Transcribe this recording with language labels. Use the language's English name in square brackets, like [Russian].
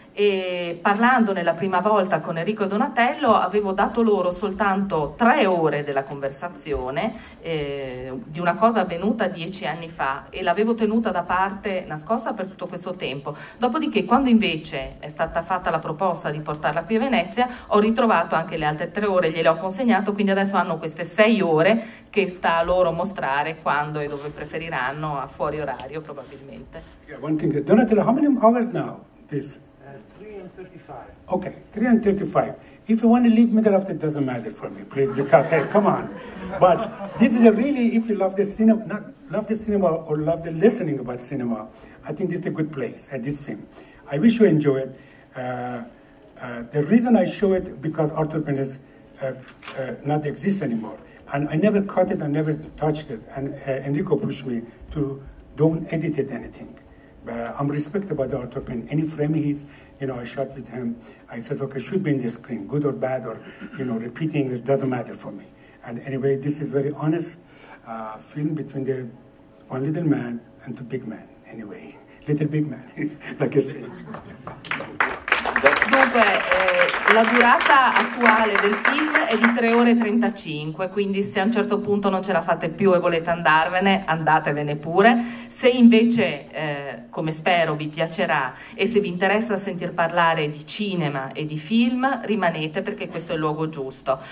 [Italian] E parlandone la prima volta con Enrico e Donatello avevo dato loro soltanto 3 ore della conversazione di una cosa avvenuta 10 anni fa e l'avevo tenuta da parte nascosta per tutto questo tempo. Dopodiché, quando invece è stata fatta la proposta di portarla qui a Venezia, ho ritrovato anche le altre 3 ore, gliele ho consegnato, quindi adesso hanno queste 6 ore che sta a loro mostrare quando e dove preferiranno, a fuori orario probabilmente. [English] Yeah, one thing, Donatello, how many hours now this? 35. Okay, 3:35. If you want to leave middle of the, it doesn't matter for me, please, because hey, come on. But this is a really, if you love the cinema, not love the cinema or love the listening about cinema, I think this is a good place at this film. I wish you enjoy it. The reason I show it because Arthur Penn is not exists anymore. And I never cut it, I never touched it. And Enrico pushed me to don't edit it anything. I'm respected by the Arthur Penn. Any frame he's, you know, I shot with him, I said, okay, should be in the screen, good or bad, or, you know, repeating, it doesn't matter for me. And anyway, this is very honest film between the one little man and the big man, anyway. Little big man, like I said. [Italian] Dunque, la durata attuale del film è di 3 ore e 35, quindi se a un certo punto non ce la fate più e volete andarvene, andatevene pure. Se invece, come spero, vi piacerà e se vi interessa sentir parlare di cinema e di film, rimanete perché questo è il luogo giusto.